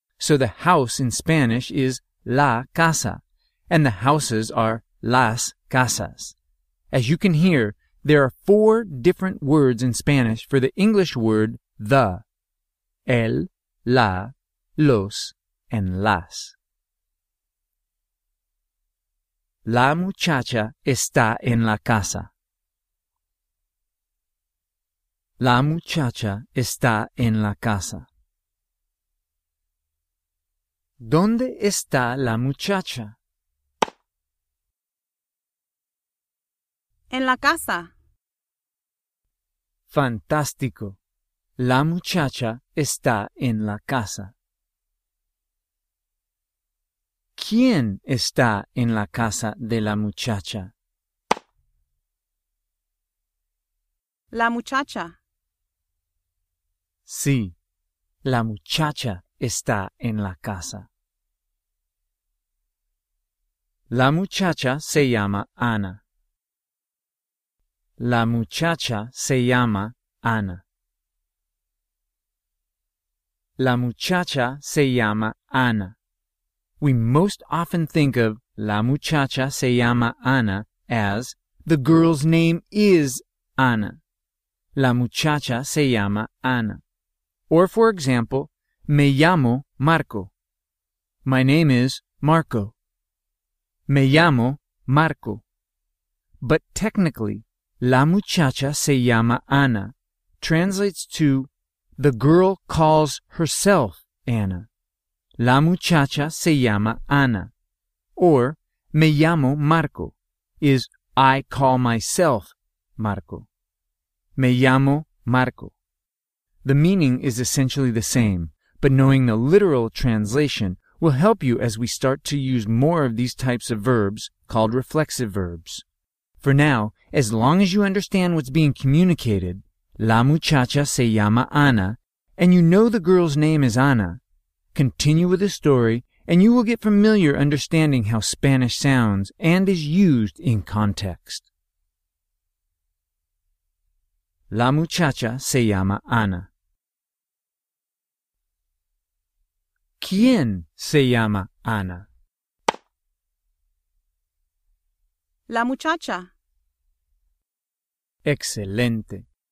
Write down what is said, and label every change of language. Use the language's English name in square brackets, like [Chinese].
[English] So the house in Spanish is [Spanish] la casa, [English] and the houses are [Spanish] las casas. [English] As you can hear, there are four different words in Spanish for the English word the: el, la, los, and las. [Spanish] La muchacha está en la casa. La muchacha está en la casa. ¿Dónde está la muchacha? En la casa. Fantástico. La muchacha está en la casa. ¿Quién está en la casa de la muchacha? La muchacha. Sí, la muchacha está en la casa. La muchacha se llama Ana. La muchacha se llama Ana. La muchacha se llama Ana. [English] We most often think of [Spanish] la muchacha se llama Ana [English] as the girl's name is Ana. [Spanish] La muchacha se llama Ana. [English] Or, for example, [Spanish] me llamo Marco. [English] My name is Marco. [Spanish] Me llamo Marco. [English] But technically, [Spanish] la muchacha se llama Ana [English] translates to the girl calls herself Ana. [Spanish] La muchacha se llama Ana. [English] Or, [Spanish] me llamo Marco [English] is I call myself Marco. [Spanish] Me llamo Marco. [English] The meaning is essentially the same, but knowing the literal translation will help you as we start to use more of these types of verbs called reflexive verbs. For now, as long as you understand what's being communicated, [Spanish] la muchacha se llama Ana, [English] and you know the girl's name is Ana, continue with the story and you will get familiar understanding how Spanish sounds and is used in context. [Spanish] La muchacha se llama Ana. ¿Quién se llama Ana? La muchacha. Excelente.